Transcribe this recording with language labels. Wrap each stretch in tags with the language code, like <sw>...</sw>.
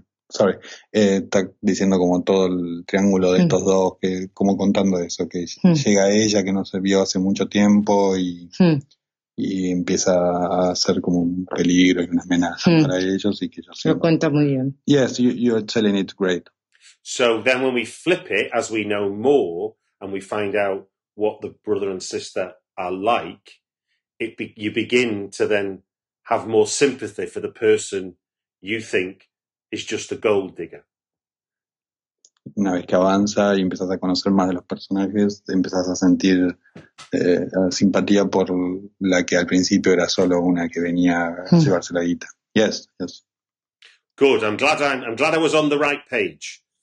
<es>Sorry, está diciendo como todo el triángulo de estos dos, que como contando eso, que llega ella que no se vio hace mucho tiempo y empieza a ser como un peligro y una amenaza para ellos y que ellos lo cuenta muy bien.</es> <en>Yes, you're telling it great. So then when we flip it, as we know more and we find out what the brother and sister are like, you begin to then have more sympathy for the person you think is just a gold digger.</en> <es>Una vez que avanza y empiezas a conocer más de los personajes, empiezas a sentir simpatía por la que al principio era solo una que venía a llevarse la guita.</es> <en>Yes, yes. Good. I'm glad I was on the right page.</en>